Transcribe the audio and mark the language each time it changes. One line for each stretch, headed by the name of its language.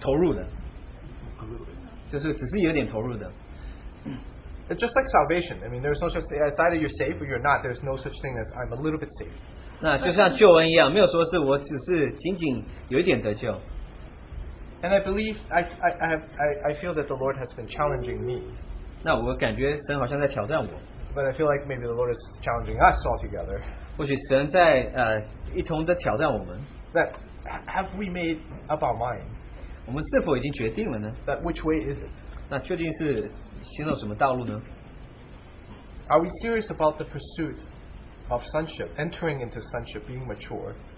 Chinese: 就是很投入的，就是只是有点投入的。
English: Just like salvation, I mean, there's no such thing. It's either you're safe or you're not. There's no such thing as I'm a little bit safe.
Chinese: 那就像救恩一样，没有说是我只是仅仅有一点得救。
English: And I believe I feel that the Lord has been challenging me.
Chinese: 那我感觉神好像在挑战我。
English: But I feel like maybe the Lord is challenging us all together.
Chinese: 或许神在一同在挑战我们。
English: That have we made up our mind?
Chinese: 我们是否已经决定了呢？
English: That which way is it?
Chinese: 那确定是。行走什么道路呢?
English: Are we serious about the pursuit of sonship, entering into sonship, being mature?